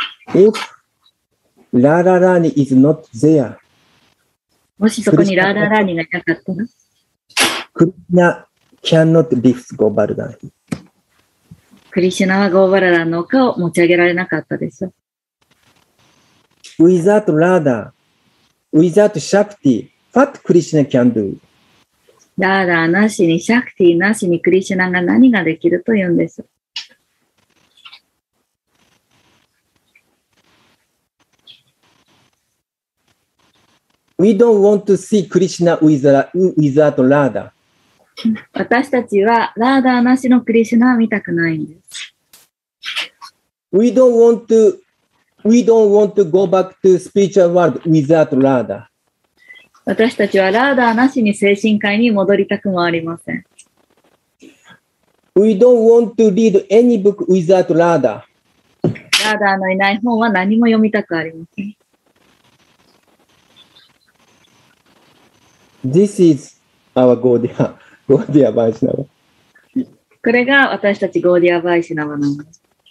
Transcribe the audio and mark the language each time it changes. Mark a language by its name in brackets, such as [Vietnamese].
[English] If Radharani is not there, [Japanese] もしそこにラダラーニがいなかったら、 [English] クリシュナ cannot lift Govardhan. [Japanese] クリシュナはゴーバルダンの丘を持ち上げられなかったでしょ。 [English] Without Radha, without Shakti, what Krishna can do? [Japanese] ラーダーなしにシャクティなしにクリシュナが何ができると言うんです。 [English] We don't want to see Krishna without Radha. [Japanese] 私たちはラーダーなしのクリシュナは見たくないんです。 [English] We don't want to go back to spiritual world without Radha. [Japanese] 私たちはラーダーなしに精神界に戻りたくもありません。 [English] We don't want to read any book without Radha. [Japanese] ラーダーのいない本は何も読みたくありません。 [English] This is our Gaudiya, Gaudiya Vaishnava. [Japanese] これが私たちゴーディア・バイシナバなんです。